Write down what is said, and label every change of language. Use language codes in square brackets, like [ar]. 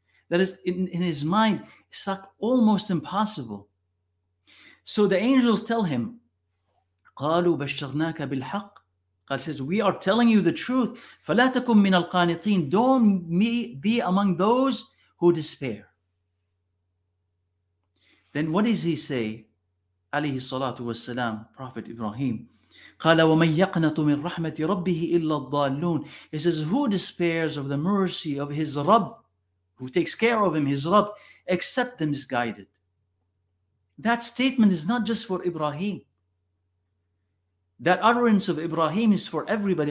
[en] That is, in his mind, it's like almost impossible. So the angels tell him, [ar] قَالُوا بَشَّرْنَاكَ بِالْحَقِّ [en] God says, we are telling you the truth. [ar] فَلَا تَكُمْ مِنَ الْقَانِطِينَ [en] Don't be among those who despair. Then what does he say? [ar] عليه الصلاة والسلام, Prophet Ibrahim. قَالَ وَمَنْ يَقْنَطُ مِنْ رَحْمَةِ رَبِّهِ إِلَّا الضَّالُّونَ [en] He says, who despairs of the mercy of his Rabb, who takes care of him, his Rabb, except the misguided? That statement is not just for Ibrahim. That utterance of Ibrahim is for everybody.